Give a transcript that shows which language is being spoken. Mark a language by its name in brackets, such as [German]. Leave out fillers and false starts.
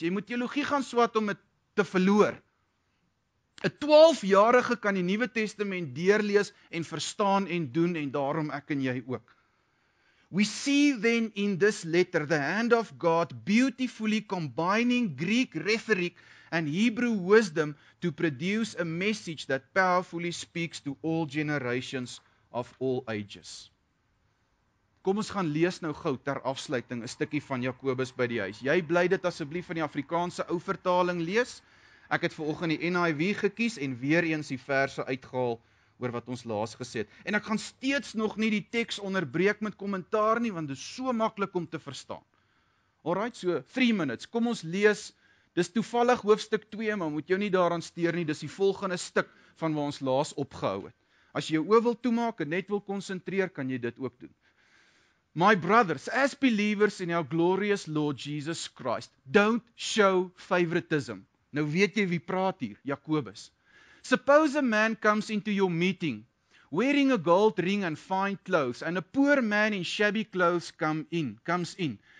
[Afrikaans] Jy moet theologie gaan swat om het te verloor. Een 12-jarige kan die Nieuwe Testament deurlees en verstaan en doen en daarom ek en jy ook. [English] We see then in this letter the hand of God beautifully combining Greek rhetoric and Hebrew wisdom to produce a message that powerfully speaks to all generations of all ages. [Afrikaans] Kom ons gaan lees nou gou ter afsluiting een stukkie van Jakobus by die huis. Jy bly dit asseblief van die Afrikaanse ou vertaling lees. Ek het vanoggend die NIV gekies en weer eens die verse uitgehaal oor wat ons laas gesê het. En ek gaan steeds nog nie die tekst onderbreek met kommentaar nie, want dit is so makkelijk om te verstaan. [English] Alright, so 3 minutes. [Afrikaans] Kom ons lees, dis toevallig hoofstuk 2, maar moet jou nie daaraan steer nie, dis die volgende stuk van waar ons laas opgehou het. As jy jou oog wil toemaak en net wil concentreer, kan jy dit ook doen. [English] My brothers, as believers in our glorious Lord Jesus Christ, don't show favoritism. [Afrikaans] Nou weet jy wie praat hier, [English] Jakobus. Suppose a man comes into your meeting, wearing a gold ring and fine clothes, and a poor man in shabby clothes comes in.